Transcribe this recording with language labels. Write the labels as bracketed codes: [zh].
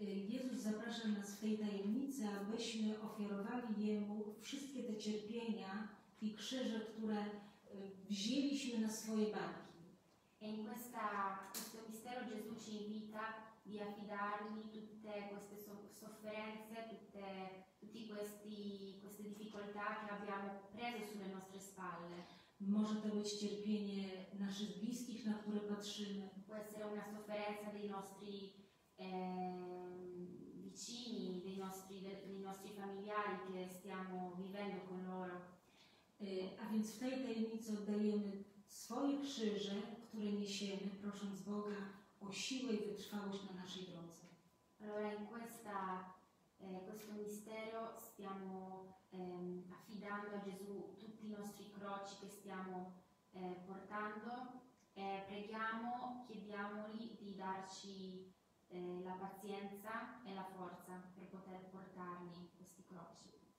[pl] Jezus zaprasza nas w tej tajemnicy, abyśmy ofiarowali Jemu wszystkie te cierpienia i krzyże, które wzięliśmy na swoje barki. [it] E in questo mistero Gesù ci invita di affidargli tutte queste sofferenze, tutti queste difficoltà che abbiamo preso sulle nostre spalle. [pl] Może to być cierpienie naszych bliskich, na które patrzymy. [it] Può essere una sofferenza dei nostri vicini, dei nostri familiari che stiamo vivendo con loro. [pl] A więc w tej tajemnicy oddajemy swoje krzyże, które niesiemy, prosząc Boga o siłę i wytrwałość na naszej drodze. [it] Allora in questo mistero stiamo affidando a Gesù tutti i nostri croci che stiamo portando e preghiamo, chiediamogli di darci la pazienza e la forza per poter portarli questi croci.